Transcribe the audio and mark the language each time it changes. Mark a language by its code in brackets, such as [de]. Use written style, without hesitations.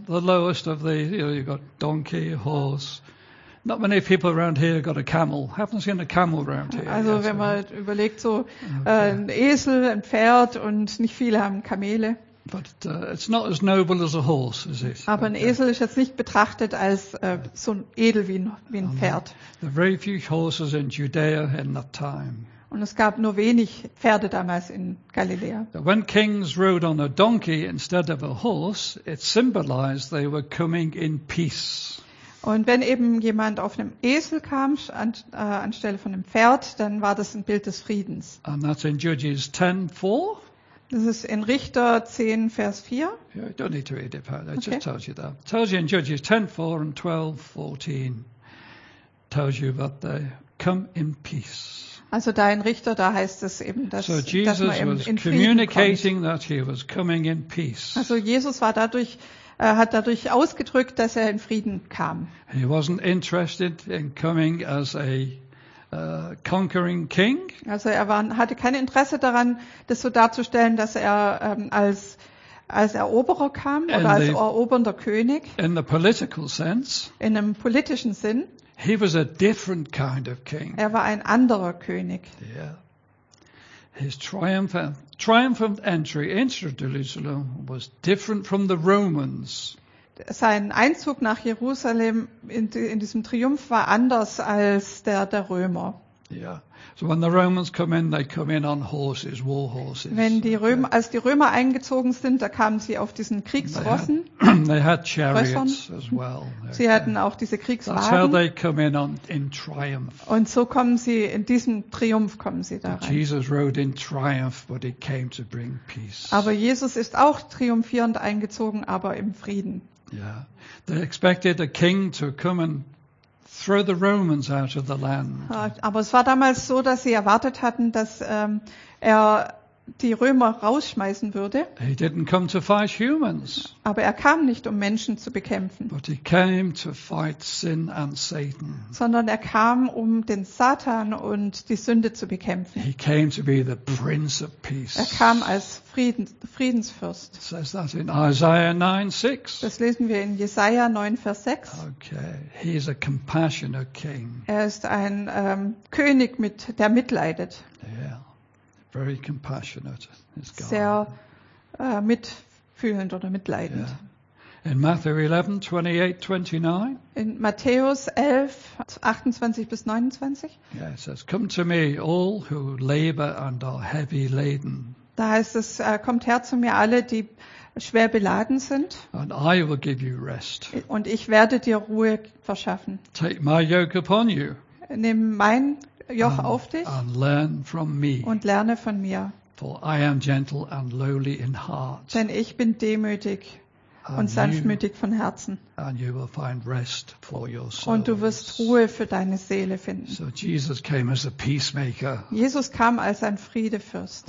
[en] The lowest of the, you got donkey, horse. Not many people around here got a camel. Haven't seen a camel around here. [de] Also [en] yet, [de] wenn man überlegt, so ein Esel, ein Pferd und nicht viele haben Kamele. [en] But it's not as noble as a horse, is it? [de] Aber ein Esel ist jetzt nicht betrachtet als so edel wie ein Pferd. [en] There were very few horses in Judea in that time. [de] Und es gab nur wenig Pferde damals in Galiläa. [en] When kings rode on a donkey instead of a horse, it symbolized they were coming in peace. [de] Und wenn eben jemand auf einem Esel kam, anstelle von einem Pferd, dann war das ein Bild des Friedens. [en] And that's in Judges 10:4. [de] Das ist in Richter 10, Vers 4. [en] Yeah, you don't need to read it, Paul. It just tells you that. It tells you in Judges 10:4 and 12:14. Tells you that they come in peace. [de] Also da in Richter, da heißt es eben, dass man [en] Jesus [de] dass man eben [en] was [de] in [en] communicating [de] kommt. [en] That he was coming in peace. [de] Also Jesus war dadurch er hat dadurch ausgedrückt, dass er in Frieden kam. [en] He wasn't interested in coming as a conquering king. [de] Also er hatte kein Interesse daran, das so darzustellen, dass er als Eroberer kam oder als erobernder König. [en] In the political sense. [de] In einem politischen Sinn. [en] He was a different kind of king. [de] Er war ein anderer König. [en] Yeah. His triumphant entry into Jerusalem was different from the Romans. [de] Sein Einzug nach Jerusalem in diesem Triumph war anders als der Römer. [en] Yeah. So when the Romans come in, they come in on horses, war horses. [de] Wenn die Römer, als die Römer eingezogen sind, da kamen sie auf diesen Kriegsrossen. [en] They had chariots [de] Rössern. [en] As well. Okay. [de] Sie hatten auch diese Kriegswagen. [en] That's how they come in on, in triumph. [de] Und so kommen sie in diesem Triumph kommen sie da rein. [en] Jesus rode in triumph, but he came to bring peace. [de] Aber Jesus ist auch triumphierend eingezogen, aber im Frieden. [en] Yeah. They expected a king to come and throw the Romans out of the land. [de] Aber es war damals so, dass sie erwartet hatten, dass er die Römer rausschmeißen würde. [en] He didn't come to fight humans. [de] Aber er kam nicht, um Menschen zu bekämpfen. [en] But he came to fight sin and Satan. [de] Sondern er kam, um den Satan und die Sünde zu bekämpfen. [en] He came to be the Prince of Peace. [de] Er kam als Friedensfürst. [en] It says that in Isaiah 9:6. [de] Das lesen wir in Jesaja 9, Vers 6. [en] Okay. He is a compassionate king. [de] Er ist ein König, der mitleidet. [en] Yeah. Very compassionate is God. [de] Sehr mitfühlend oder mitleidend. [en] Yeah. In Matthew 11:28-29. [de] In Matthäus 11:28-29. [en] Yeah, it says, "Come to me, all who labor and are heavy laden." [de] Da heißt es, kommt her zu mir alle, die schwer beladen sind. [en] And I will give you rest. [de] Und ich werde dir Ruhe verschaffen. [en] Take my yoke upon you. [de] Nimm mein Joch auf dich [en] and learn from me, [de] und lerne von mir. [en] For I am gentle and lowly in heart. [de] Denn ich bin demütig und sanftmütig von Herzen. [en] And you will find rest for your souls. [de] Und du wirst Ruhe für deine Seele finden. [en] So Jesus came as a peacemaker. [de] Jesus kam als ein Friedefürst.